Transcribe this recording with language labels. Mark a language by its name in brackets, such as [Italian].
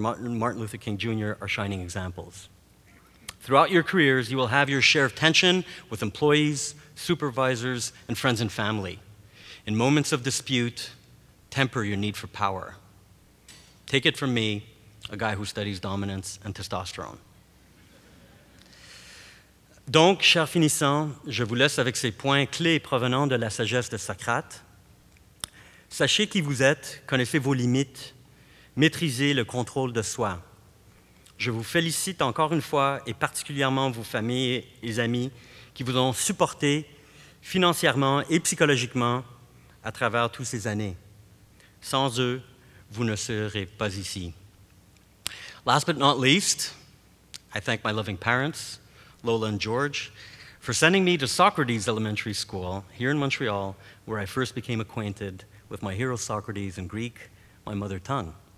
[English] Martin Luther King Jr. are shining examples. Throughout your careers, you will have your share of tension with employees, supervisors, and friends and family. In moments of dispute, temper your need for power. Take it from me, a guy who studies dominance and testosterone. [French] Donc, chers finissants, je vous laisse avec ces points clés provenant de la sagesse de Socrate. Sachez qui vous êtes, connaissez vos limites, maîtrisez le contrôle de soi. Je vous félicite encore une fois, et particulièrement vos familles et amis qui vous ont supporté financièrement et psychologiquement à travers toutes ces années. Sans eux, vous ne serez pas ici. [English] Last but not least, I thank my loving parents, Lola and George, for sending me to Socrates Elementary School here in Montreal, where I first became acquainted with my hero Socrates in Greek, my mother tongue.